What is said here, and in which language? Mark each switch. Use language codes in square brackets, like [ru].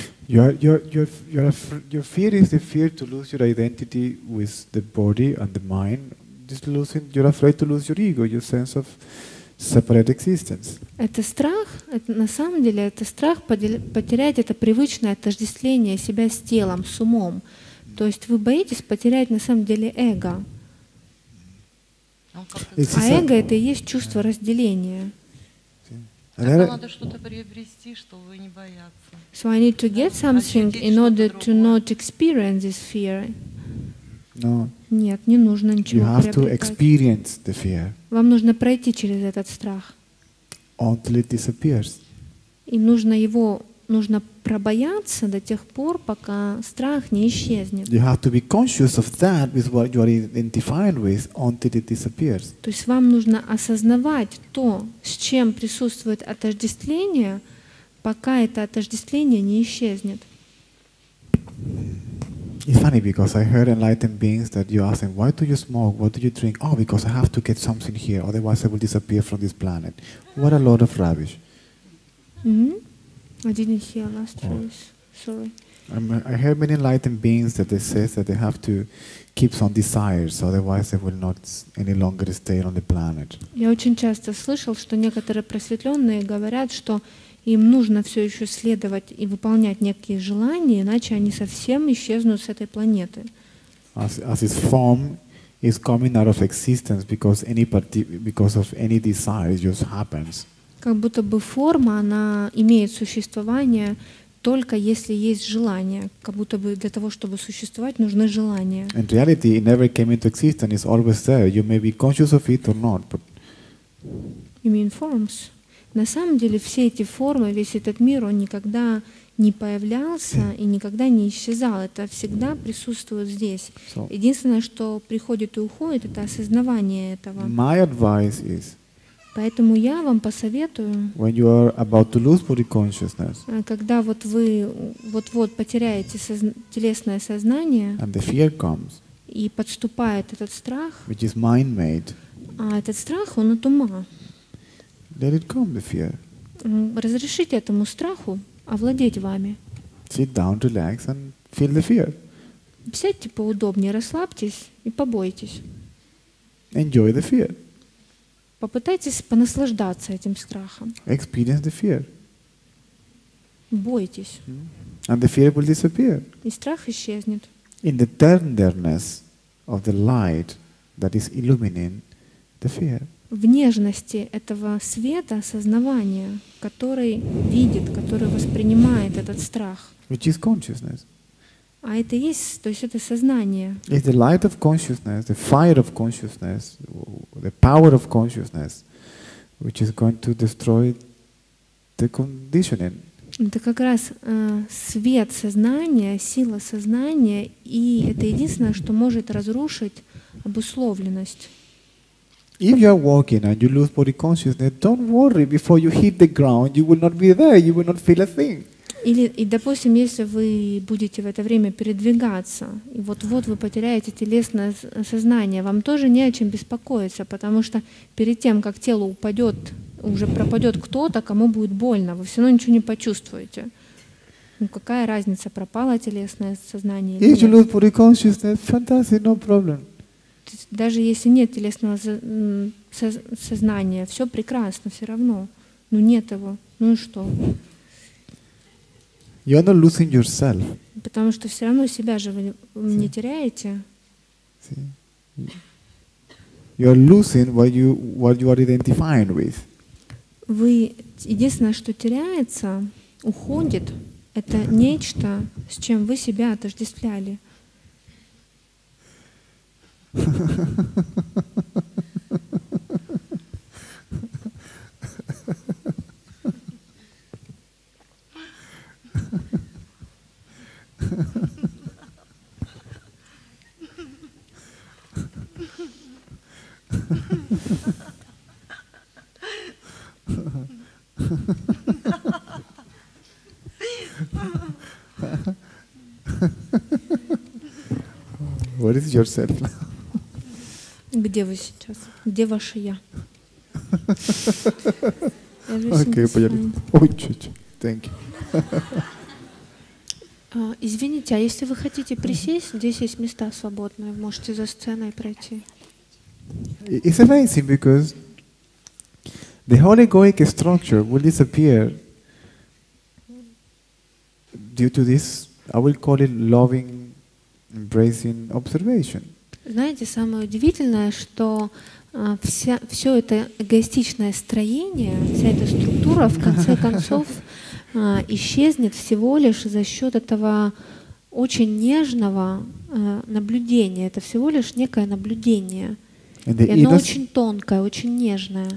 [en] Your fear is the fear to lose your identity with the body and the mind. You're afraid to lose your ego, your sense of separate existence. [ru] Это страх, это на самом деле это страх потерять это привычное отождествление себя с телом, с умом. То есть вы боитесь потерять на самом деле эго. А эго – это и есть чувство разделения. Тогда надо что-то приобрести, чтобы не бояться. [en] So I need to get something in order to not experience this fear. No. [ru] Нет, не нужно ничего приобретать. [en] You have to experience the fear. [ru] Вам нужно пройти через этот страх. [en] Until it disappears. [ru] И нужно его, нужно пробояться до тех пор, пока страх не исчезнет. [en] You have to be conscious of that with what you are identifying with until it disappears. [ru] То есть вам нужно осознавать то, с чем присутствует отождествление, пока это отождествление не исчезнет. [en] It's funny because I heard enlightened beings that you ask them, why do you smoke? What do you drink? Oh, because I have to get something here, otherwise I will disappear from this planet. What a load of rubbish. I didn't hear last phrase. Sorry. I heard many enlightened beings that they say that they have to keep some desires, otherwise they will not any longer stay on the planet. [ru] Я очень часто слышал, что некоторые просветленные говорят, что им нужно все еще следовать и выполнять некие желания, иначе они совсем исчезнут с этой планеты. [en] As its form is coming out of existence because of any desire just happens. [ru] Как будто бы форма, она имеет существование только если есть желание. Как будто бы для того, чтобы существовать, нужны желания. [en] In reality, it never came into existence. It's always there. You may be conscious of it or not. But... You mean forms? [ru] На самом деле, все эти формы, весь этот мир, он никогда не появлялся и никогда не исчезал. Это всегда присутствует здесь. So, единственное, что приходит и уходит, это осознавание этого. [en] My advice is, [ru] поэтому я вам посоветую, [en] when you are about to lose body consciousness, [ru] когда вот вы вот-вот потеряете телесное сознание, [en] and the fear comes, [ru] и подступает этот страх, [en] which is mind-made, [ru] а этот страх, он от ума. [en] Let it come, the fear. [ru] Разрешите этому страху овладеть вами. [en] Sit down, relax, and feel the fear. [ru] Сядьте поудобнее, расслабьтесь и побойтесь. [en] Enjoy the fear. [ru] Попытайтесь понаслаждаться этим страхом. [en] Experience the fear. [ru] Бойтесь. [en] And the fear will disappear. [ru] И страх исчезнет. [en] In the tenderness of the light that is illuminating the fear. [ru] В нежности этого света осознавания, который видит, который воспринимает этот страх. [en] Which is consciousness. [ru] А это есть, то есть это сознание. [en] It's the light of consciousness, the fire of consciousness, the power of consciousness, which is going to destroy the conditioning. [ru] Это как раз свет сознания, сила сознания, и это единственное, что может разрушить обусловленность. [en] If you are walking and you lose body consciousness, don't worry, before you hit the ground, you will not be there, you will not feel a thing. [ru] Или, и допустим, если вы будете в это время передвигаться, и вот-вот вы потеряете телесное сознание, вам тоже не о чем беспокоиться, потому что перед тем, как тело упадет, уже пропадет кто-то, кому будет больно, вы все равно ничего не почувствуете. Ну какая разница, пропало телесное сознание или нет? [en] If you lose body consciousness, fantastic, no problem. [ru] Даже если нет телесного сознания, все прекрасно, все равно. Ну нет его. Ну и что? [en] You are not losing yourself. [ru] Потому что все равно себя же вы не теряете. [en] You are losing what you are identifying with. [ru] Вы единственное, что теряется, уходит, это нечто, с чем вы себя отождествляли. [en] What is yourself now? [ru] Где вы сейчас? Где ваше я? Окей, поняли. Ой, чуть-чуть. [en] Thank you. [ru] Извините, а если вы хотите присесть, здесь есть места свободные, можете за сценой пройти. [en] It's amazing because the whole egoic structure will disappear due to this, I will call it loving, embracing observation. [ru] Знаете, самое удивительное, что все это эгоистичное строение, вся эта структура в конце концов исчезнет всего лишь за счет этого очень нежного наблюдения. Это всего лишь некое наблюдение. И оно очень тонкое, очень нежное.